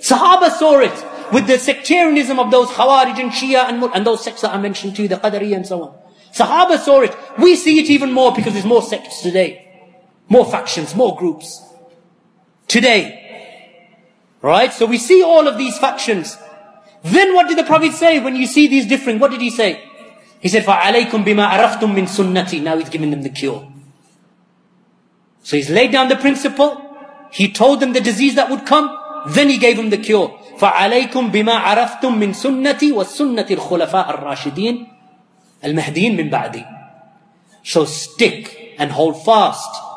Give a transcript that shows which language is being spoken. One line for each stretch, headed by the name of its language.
English: Sahaba saw it with the sectarianism of those Khawarij and Shia and those sects that I mentioned to you, the Qadariya and so on. Sahaba saw it. We see it even more because there's more sects today. More factions, more groups. Today. Right? So we see all of these factions. Then what did the Prophet say when you see these differing? What did he say? He said,
Arabic: فَعَلَيْكُمْ بِمَا عَرَفْتُمْ مِنْ سُنَّتِي.
English: Now he's giving them the cure. So he's laid down the principle. He told them the disease that would come. Then he gave them the cure.
Arabic: فَعَلَيْكُمْ بِمَا عَرَفْتُمْ مِنْ سُنَّتِي وَسُنَّةِ الْخُلَفَاءَ الرَّاشِدِينَ المهديين من بعدي.
English: So stick and hold fast.